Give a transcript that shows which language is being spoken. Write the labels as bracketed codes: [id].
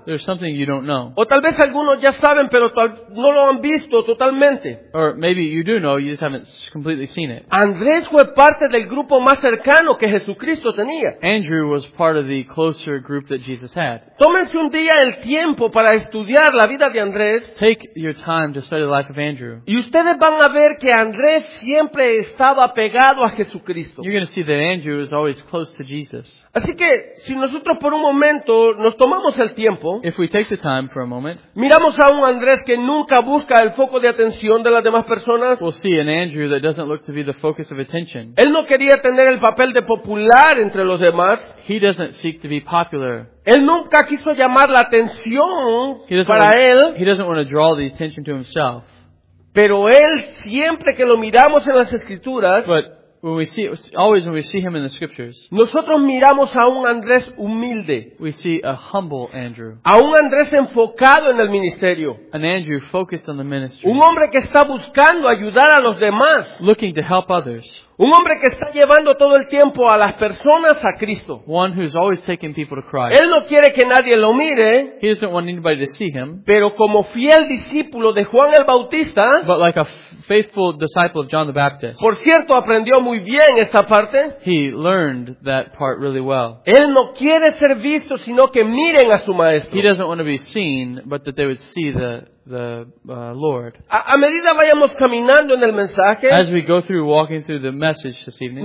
[en] There's something you don't know. [es] O tal vez algunos ya saben, pero no lo han visto totalmente. [en] Or maybe you do know, you just haven't completely seen it. [es] Andrés fue parte del grupo más cercano que Jesucristo tenía. [en] Andrew was part of the closer group that Jesus had. [es] Tómense un día el tiempo para estudiar la vida de Andrés. [en] Take your time to study the life of Andrew. [es] Y ustedes van a ver que Andrés siempre estaba pegado a Jesucristo. [en] You're going to see that Andrew is always close to Jesus. [es] Así que si nosotros por un momento nos tomamos el tiempo, [en] if we take the time for a moment, [es] miramos a un Andrés que nunca busca el foco de atención de las demás personas. [en] We'll see an Andrew that doesn't look to be the focus of attention. [es] Él no quería tener el papel de popular entre los demás. [en] He doesn't seek to be popular. [es] Él nunca quiso llamar la atención para él. [en] He doesn't want to draw the attention to himself. [es] Pero él, siempre que lo miramos en las Escrituras, [en] when we see him in the scriptures, [es] nosotros miramos a un Andrés humilde. [en] We see a humble Andrew. [es] A un Andrés enfocado en el ministerio. [en] An Andrew focused on the ministry. [es] Un hombre que está buscando ayudar a los demás. [en] Looking to help others. [es] Un hombre que está llevando todo el tiempo a las personas a Cristo. [en] One who's always taking people to Christ. [es] Él no quiere que nadie lo mire. [en] He doesn't want anybody to see him. [es] Pero como fiel discípulo de Juan el Bautista. [en] But like a faithful disciple of John the Baptist. [es] Por cierto, aprendió muy bien esta parte. [en] He learned that part really well. [es] Él no quiere ser visto, sino que miren a su maestro. [en] He doesn't want to be seen, but that they would see the Lord. [es] A medida vayamos caminando en el mensaje, [en] as we go through walking through the message this evening,